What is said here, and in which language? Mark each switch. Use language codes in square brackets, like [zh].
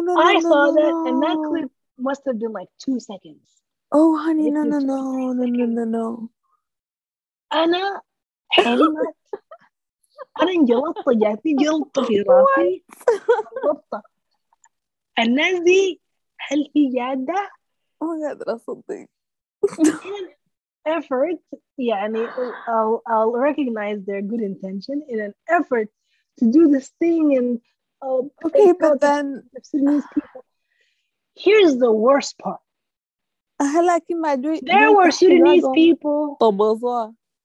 [en] and that clip must have been like 2 seconds oh honey no [ar] أنا حلمت أنا انجلطة جاتي جلطة في راسي جلطة الناس دي هل هي جادة؟ ما قادر أصدق. [en] effort يعني I'll recognize their good intention in an effort to do this thing and okay but then here's the worst part. There were Sudanese people.